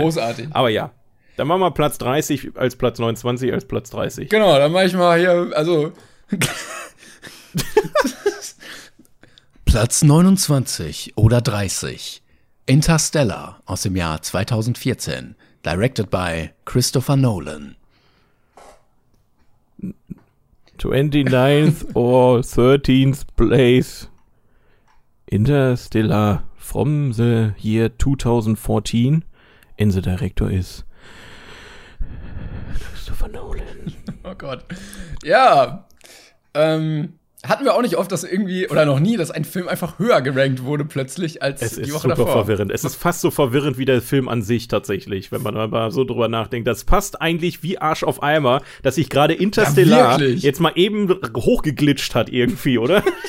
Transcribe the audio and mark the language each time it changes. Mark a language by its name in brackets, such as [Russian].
[German] Großartig. Aber ja, dann machen wir Platz 30 als Platz 29 als Platz 30. Genau, dann mache ich mal hier, also Platz 29 oder 30. Interstellar aus dem Jahr 2014. [English] Directed by Christopher Nolan. 29th or 13th place. Interstellar from the year 2014. And the director is Christopher Nolan. [German] Oh Gott. Ja, hatten wir auch nicht oft, dass irgendwie, oder noch nie, dass ein Film einfach höher gerankt wurde plötzlich als die Woche davor. Es ist super verwirrend. Es ist fast so verwirrend wie der Film an sich tatsächlich, wenn man mal so drüber nachdenkt. Das passt eigentlich wie Arsch auf Eimer, dass sich gerade Interstellar jetzt mal eben hochgeglitscht hat irgendwie, oder?